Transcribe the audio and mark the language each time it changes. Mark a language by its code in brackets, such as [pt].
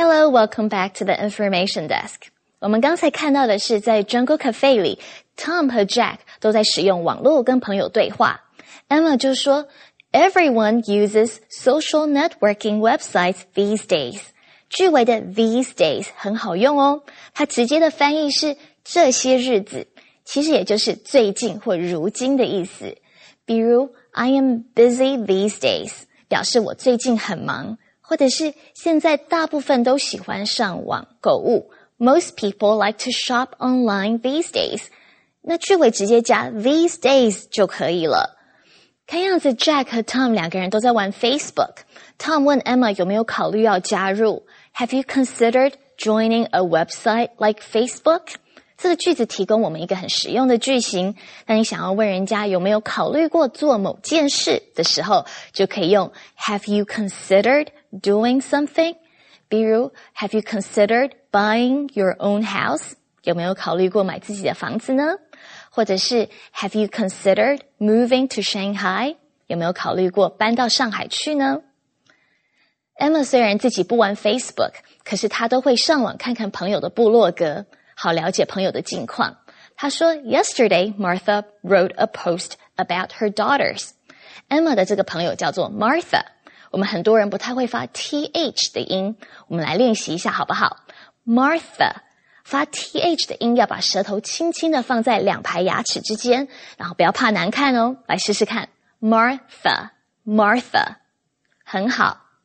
[en] Welcome back to the Information Desk. [zh] 我们刚才看到的是在 Jungle Cafe 里 Tom 和 Jack 都在使用网络跟朋友对话。 [en] Emma [zh] 就说 [en] Everyone uses social networking websites these days. [zh] 句尾的 these days 很好用哦。它直接的翻译是这些日子，其实也就是最近或如今的意思。比如 [en] I am busy these days [zh] 表示我最近很忙。或者是现在大部分都喜欢上网购物。 [en] Most people like to shop online these days. [zh] 那句尾直接加 [en] these days [zh] 就可以了。看样子 Jack 和 Tom 两个人都在玩 Facebook。Tom 问 Emma 有没有考虑要加入 ？ [en] Have you considered joining a website like Facebook？ [zh] 这个句子提供我们一个很实用的句型。当你想要问人家有没有考虑过做某件事的时候，就可以用 [en] Have you considered doing something？比如 Have you considered buying your own house？ [zh] 有没有考虑过买自己的房子呢？ [en] 或者是 Have you considered moving to Shanghai？ [zh] 有没有考虑过搬到上海去呢？ Emma 虽然自己不玩 Facebook， 可是她都会上网看看朋友的部落格，好了解朋友的近况。她说 [en] ,Yesterday, Martha wrote a post about her daughters. [zh] Emma 的这个朋友叫做 Martha。我们很多人不太会发 TH 的音，我们来练习一下好不好 ?Martha, 发 TH 的音要把舌头轻轻地放在两排牙齿之间，然后不要怕难看哦，来试试看。 Martha, 很好。